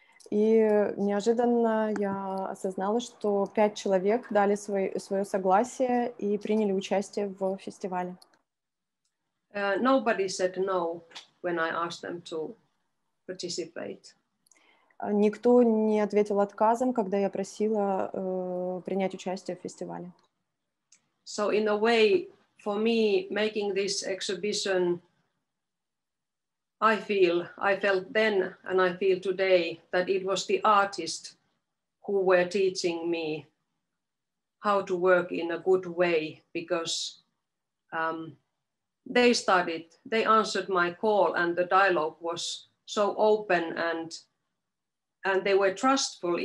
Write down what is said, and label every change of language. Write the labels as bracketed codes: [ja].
[ru] И неожиданно я осознала, что пять человек дали свое согласие и приняли участие в фестивале. [en] Nobody said no when I asked them to participate. [ru] Никто не ответил отказом, когда я просила принять участие в фестивале. [en] So in a way, for me, making this exhibition, I felt then and I feel today that it was the artists who were teaching me how to work in a good way, because they answered my call and the dialogue was so open and they were trustful.